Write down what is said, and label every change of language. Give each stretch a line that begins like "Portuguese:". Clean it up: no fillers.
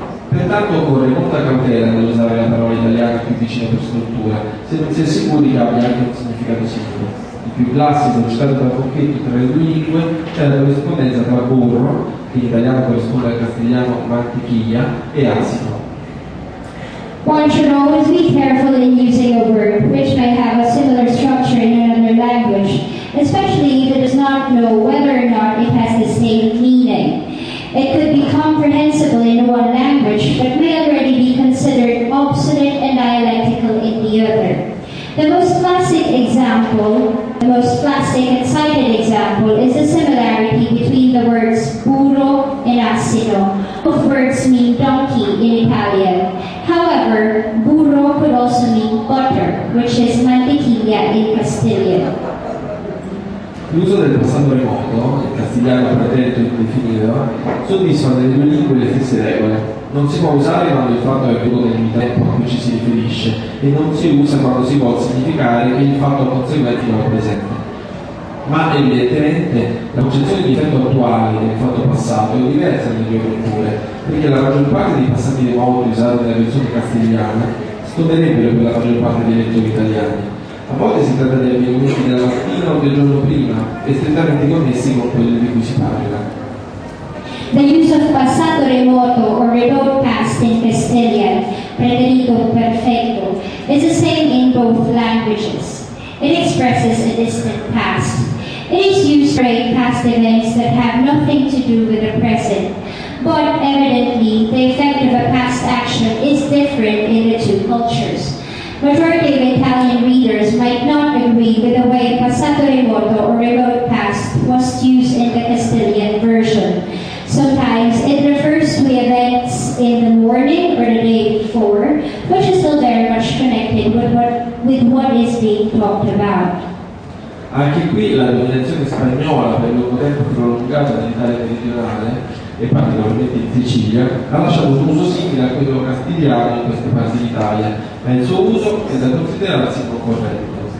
Italian: Pertanto occorre molta cautela nell'usare la parola italiana più vicina per struttura, se non si è sicuri che abbia anche un significato simile. Il più classico citato da Pocchetti tra le due lingue c'è la corrispondenza tra burro, che in italiano corrisponde al castigliano mantequilla, e asino.
English: One should always be careful in using a word which may have a similar structure in another language, especially if it does not know whether or not it has the same meaning. It could be comprehensible in one language, but may already be considered obsolete and dialectical in the other. The most classic and cited example is the similarity between the words burro and asino. Both words mean donkey in Italian. However, burro could also mean butter, which is mantequilla in Castilian.
Italian: L'uso del passato remoto, il castigliano pretento e indefinito, soddisfa nelle due lingue le stesse regole. Non si può usare quando il fatto è avvenuto nel tempo a cui ci si riferisce e non si usa quando si può significare che il fatto conseguente non è presente. Ma evidentemente la concezione di effetto attuale del fatto passato è diversa nelle due culture, perché la maggior parte dei passati remoti usati nella versione castigliana sconderebbero per la maggior parte dei lettori italiani. A volte si tratta di avvenimenti della mattina o del giorno prima, estremamente connessi con quelli di cui si parla.
English: The use of passato remoto or remote past in Castilian, preterito perfetto, is the same in both languages. It expresses a distant past. It is used for past events that have nothing to do with the present, but evidently the effect of a past action is different in the two cultures. Majority of Italian readers might not agree with the way passato remoto or remote past was used in the Castilian version. Sometimes it refers to events in the morning or the day before, which is still very much connected is being talked about.
Italian: Anche qui la dominazione spagnola per lungo tempo prolungata nell'Italia meridionale e particolarmente in Sicilia ha lasciato un uso simile a quello castigliano in queste parti d'Italia, ma il suo uso è da considerarsi concorrente.